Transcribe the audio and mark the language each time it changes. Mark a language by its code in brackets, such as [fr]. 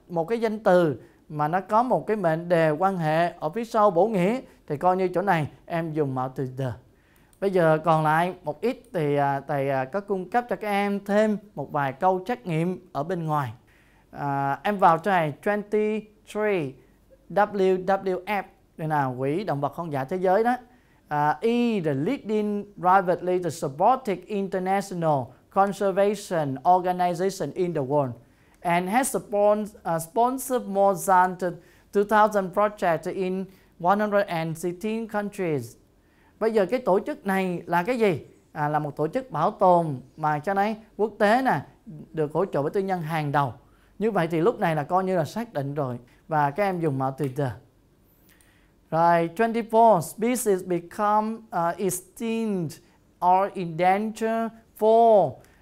[vi] Một cái danh từ mà nó có một cái mệnh đề quan hệ ở phía sau bổ nghĩa thì coi như chỗ này em dùng mạo từ the. Bây giờ còn lại một ít thì thầy có cung cấp cho các em thêm một vài câu trắc nghiệm ở bên ngoài. Em vào cho này 23 WWF, đây là quỹ động vật hoang dã thế giới đó. [en] The leading privately supported international conservation organization in the world and has sponsored more than 2000 projects in 116 countries. [vi] Bây giờ cái tổ chức này là cái gì? Là một tổ chức bảo tồn mà cho nên quốc tế nè được hỗ trợ với tư nhân hàng đầu. Như vậy thì lúc này là coi như là xác định rồi và các em dùng mạo từ the. Rồi [en] 24, species become extinct or endangered for.